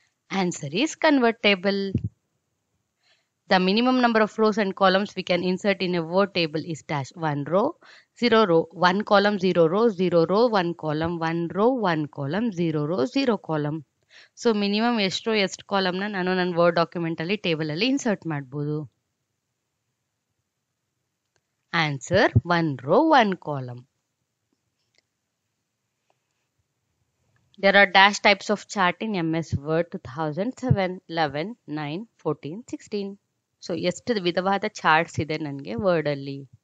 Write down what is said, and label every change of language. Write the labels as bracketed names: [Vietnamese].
[English] Answer is convert table. The minimum number of rows and columns we can insert in a word table is dash. 1 row 0 row, 1 column 0 row, 0 row 1 column, 1 row 1 column, 0 row 0 column. [Kannada] So minimum ಎಷ್ಟೋ ಎಷ್ಟು ಕಾಲಮ್ನ ನಾನು ನನ್ನ word document ಅಲ್ಲಿ table ಅಲ್ಲಿ insert ಮಾಡ್ಬೋದು? [English] Answer 1 row 1 column. There are dash types of chart in MS word 2007, 11, 9, 14, 16. [Kannada] So ಎಷ್ಟು ವಿಧವಾದ ಚಾರ್ಟ್ಸ್ ಇದೆ ನನಗೆ ವರ್ಡ್ ಅಲ್ಲಿ?